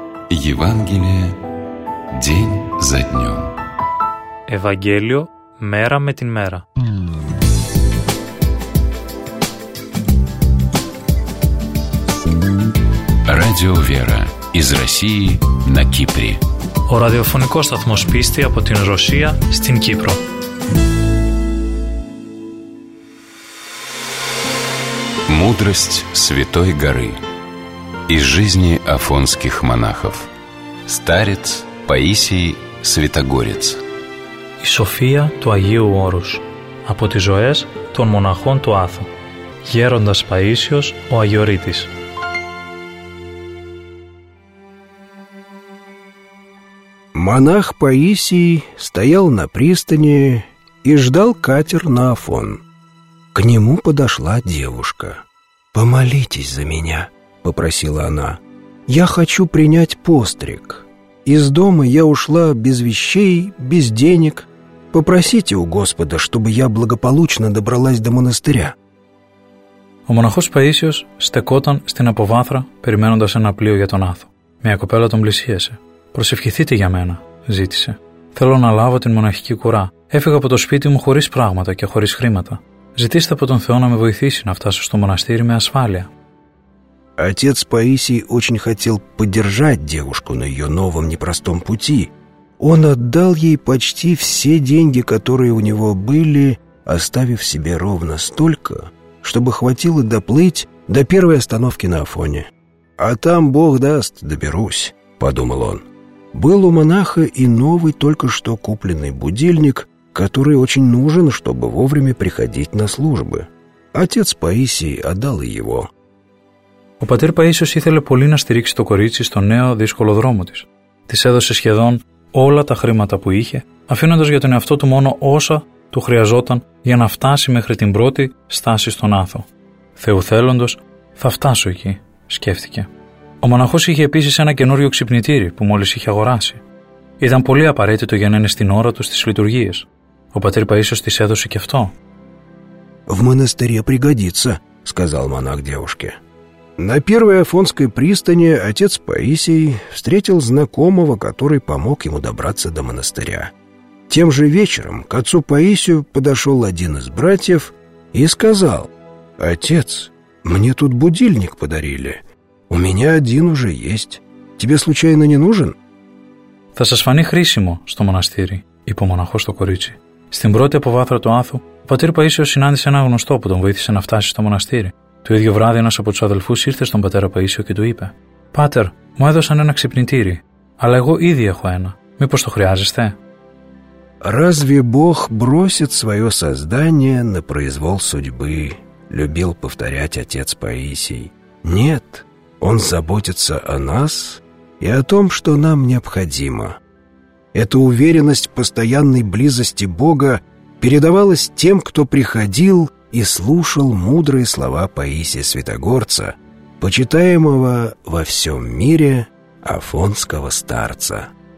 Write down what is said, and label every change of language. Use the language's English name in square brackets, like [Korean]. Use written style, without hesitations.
[Russian] Евангелие день за днем. [Greek] Евангелие мера ме тин мера. [Russian] Радио Вера из России на Кипре. [Greek] Ο ραδιοφωνικός σταθμός πίστη από την Ρωσία στην Κύπρο. [Russian] Мудрость Святой Горы из жизни афонских монахов. Старец Паисий Святогорец. [Greek] Η σοφία του Αγίου Όρους από τις ζωές των μοναχών του Άθου. Γέροντας Παΐσιος ο Αγιορείτης. [Russian] Монах Паисий стоял на пристани и ждал катер на Афон. К нему подошла девушка. «Помолитесь за меня», — попросила она. «Я хочу принять постриг. Из дома я ушла без вещей, без денег. Попросите у Господа, чтобы я благополучно добралась до монастыря». [Greek] Ο μοναχός Παΐσιος στεκόταν στην αποβάθρα, περιμένοντας ένα πλοίο για τον Άθο. Μια κοπέλα τον πλησίασε. «Προσευχηθείτε για μένα», ζήτησε. «Θέλω να λάβω την μοναχική κουρά. Έφυγα από το σπίτι μου χωρίς πράγματα και χωρίς χρήματα. Ζητήστε από τον Θεό να με βοηθήσει να φτάσω στο μοναστήρι με ασφάλεια». [Russian] Отец Паисий очень хотел поддержать девушку на ее новом непростом пути. Он отдал ей почти все деньги, которые у него были, оставив себе ровно столько, чтобы хватило доплыть до первой остановки на Афоне. «А там Бог даст, доберусь», подумал он. Был у монаха и новый только что купленный будильник, который очень нужен, чтобы вовремя приходить на службы. Отец Паисий отдал его. [Greek] Ο πατήρ Παΐσιος ήθελε πολύ να στηρίξει το κορίτσι στο νέο δύσκολο δρόμο της. Της έδωσε σχεδόν όλα τα χρήματα που είχε, αφήνοντας για τον εαυτό του μόνο όσα του χρειαζόταν για να φτάσει μέχρι την πρώτη στάση στον Άθο. «Θεουθέλοντος, θα φτάσω εκεί», σκέφτηκε. Ο μοναχός είχε επίσης ένα καινούριο ξυπνητήρι που μόλις είχε αγοράσει. Ήταν πολύ απαραίτητο για να είναι στην ώρα του στις λειτουργίες. Ο πατήρ Παΐσιος της έδωσε και αυτό. [Russian] «В монастыре пригодится», сказал монах девушке. «На первой Афонской пристани отец Паисий встретил знакомого, который помог ему добраться до монастыря. Тем же вечером к отцу Паисию подошел один из братьев и сказал: «Отец, мне тут будильник подарили. У меня один уже есть. Тебе случайно не нужен?» [Greek] «Θα σας φανεί χρήσιμο στο μοναστήρι», είπε ο μοναχός στο κορίτσι. Στην πρώτη αποβάθρα του Άθου, ο πατήρ Παΐσιος συνάντησε ένα γνωστό που τον βοήθησε να φτάσει στο μοναστήρι. Το ίδιο βράδυ, ένας από τους αδελφούς ήρθε στον πατέρα Παΐσιο και του είπε: «Πάτερ, μου έδωσαν ένα ξυπνητήρι, αλλά εγώ ήδη έχω ένα. Μήπως το χρειάζεστε?» [Russian] «Разве Бог бросит свое создание на произвол судьбы?» любил повторять отец Паисий. «Нет, он заботится о нас и о том, что нам необходимо. Эта уверенность постоянной близости Бога передавалась тем, кто приходил и слушал мудрые слова Паисия Святогорца, почитаемого во всем мире афонского старца».